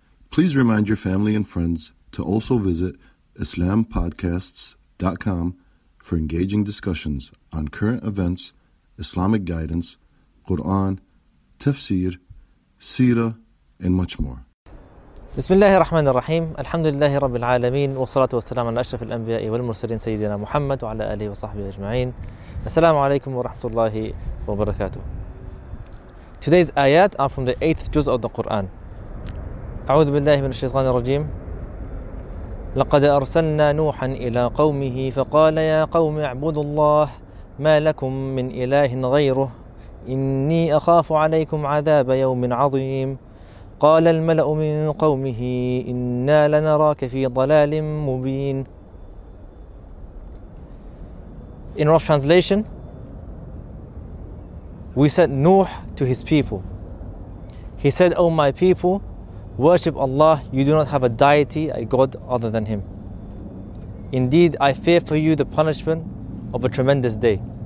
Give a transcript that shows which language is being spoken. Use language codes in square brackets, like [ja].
[en] Please remind your family and friends to also visit IslamPodcasts.com for engaging discussions on current events, Islamic guidance, Quran, tafsir, seerah, and much more. [ar] بسم الله الرحمن الرحيم الحمد لله رب العالمين والصلاة والسلام على أشرف الأنبياء والمرسلين سيدنا محمد وعلى آله وصحبه أجمعين السلام عليكم ورحمة الله وبركاته. [en] Today's ayat are from the 8th juz of the Quran. [ar] أعوذ بالله من الشيطان الرجيم. لقد أرسلنا نوحا إلى قومه فقال يا قوم اعبدوا الله ما لكم من إله غيره إني أخاف عليكم عذاب يوم عظيم. قال الملأ من قومه إنا لنراك في ضلال مبين. [en] In rough translation, we sent Nuh to his people. He said, O my people, worship Allah, you do not have a deity, a god other than him. Indeed, I fear for you the punishment of a tremendous day.